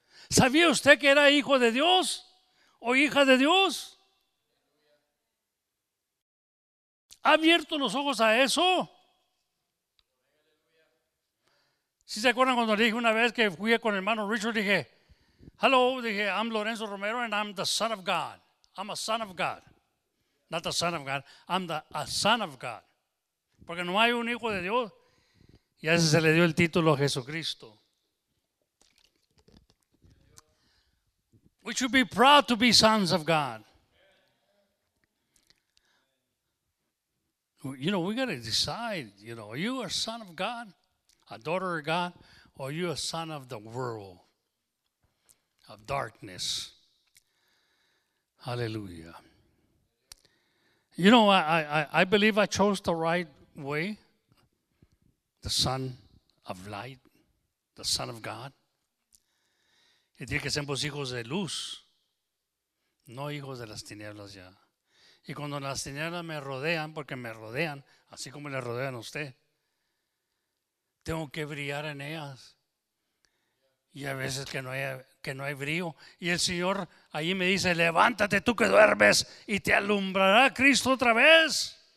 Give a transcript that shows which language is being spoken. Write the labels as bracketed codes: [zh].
[es] ¿Sabía usted que era hijo de Dios o hija de Dios? ¿Ha abierto los ojos a eso? ¿Sí se acuerdan cuando le dije una vez que fui con el hermano Richard? Dije, [en] hello, dije, I'm Lorenzo Romero and I'm the son of God. I'm a son of God. Not the son of God, I'm a son of God. [es] Porque no hay un hijo de Dios. Y a ese se le dio el título a Jesucristo. [en] We should be proud to be sons of God. You know, we got to decide, you know, are you a son of God, a daughter of God, or are you a son of the world, of darkness? Hallelujah. You know, I believe I chose the right way, the son of light, the son of God. [es] Y dije que somos hijos de luz, no hijos de las tinieblas ya. Y cuando las tinieblas me rodean, porque me rodean, así como le rodean a usted, tengo que brillar en ellas. Y a veces que no hay brillo. Y el Señor ahí me dice, levántate tú que duermes y te alumbrará Cristo otra vez.